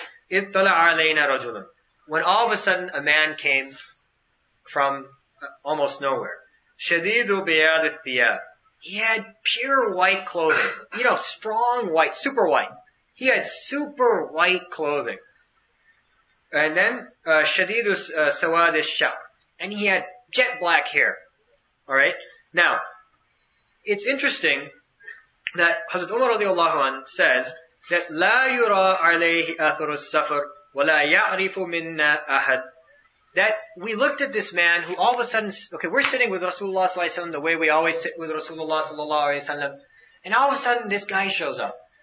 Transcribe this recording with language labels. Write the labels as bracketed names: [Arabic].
[Arabic] إِذْ طَلَعَ عَلَيْنَا رَجُلٌ. [English] When all of a sudden a man came from almost nowhere. [Arabic] شَدِيدُ بِيَادِ الثِّيَابِ. [English] He had pure white clothing. You know, strong white, super white. He had super white clothing. And then, [Arabic] شَدِيدُ سَوَادِ الشَّعْرِ. [English] And he had jet black hair. Alright? Now, it's interesting that Hazrat Umar radiallahu anhu says that [Arabic] لَا يُرَى عَلَيْهِ أَثَرُ السَّفَرِ وَلَا يَعْرِفُ مِنَّا أَحَدٍ. [English] That we looked at this man who all of a sudden, okay, we're sitting with Rasulullah sallallahu alaihi wasallam the way we always sit with Rasulullah sallallahu alaihi wasallam, and all of a sudden this guy shows up.